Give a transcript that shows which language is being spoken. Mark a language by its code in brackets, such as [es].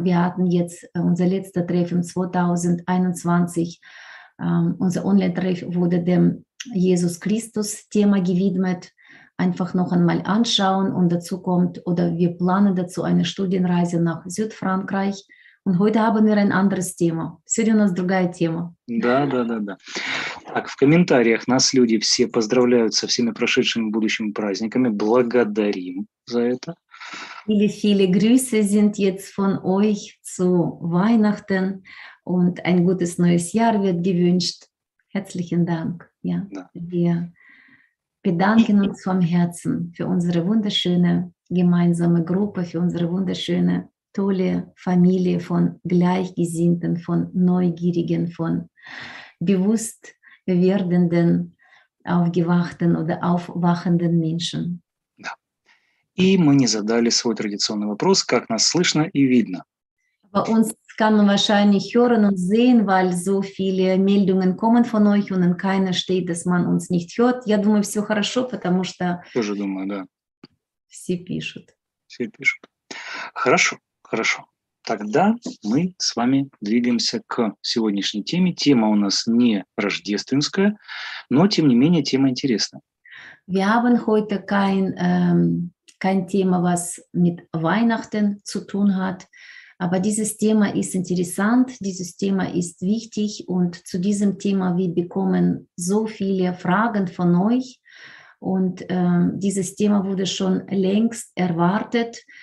[de] Wir hatten jetzt unser letzter Treff im 2021. Unser Online-Treff wurde dem Jesus-Christus-Thema gewidmet. Einfach noch einmal anschauen und dazu kommt, oder wir planen dazu eine Studienreise nach Südfrankreich. Und heute haben wir ein anderes Thema. [ru] Сегодня у нас другая тема. Да, да, да, да. Так, в комментариях нас люди все поздравляют со всеми прошедшими и будущими праздниками. Благодарим за это. [de] Viele, viele Grüße sind jetzt von euch zu Weihnachten und ein gutes neues Jahr wird gewünscht. Herzlichen Dank. Ja. Wir bedanken uns vom Herzen für unsere wunderschöne gemeinsame Gruppe, für unsere wunderschöne tolle Familie von Gleichgesinnten, von Neugierigen, von bewusst werdenden, aufgewachten oder aufwachenden Menschen. Ja. [ru] И мы не задали свой традиционный вопрос, как нас слышно и видно. [de] Bei uns kann man wahrscheinlich hören und sehen, weil so viele Meldungen kommen von euch und in keiner steht, dass man uns nicht hört. [ru] Я думаю, все хорошо, потому что тоже думаю, да. Все пишут. Все пишут. Хорошо. Хорошо. Тогда мы с вами двигаемся к сегодняшней теме. Тема у нас не рождественская, но тем не менее тема интересная. [de] Wir haben heute kein Thema, was mit Weihnachten zu tun hat, aber dieses Thema ist interessant, dieses Thema ist wichtig und zu diesem Thema wir bekommen so viele Fragen von euch und dieses Thema wurde schon längst erwartet.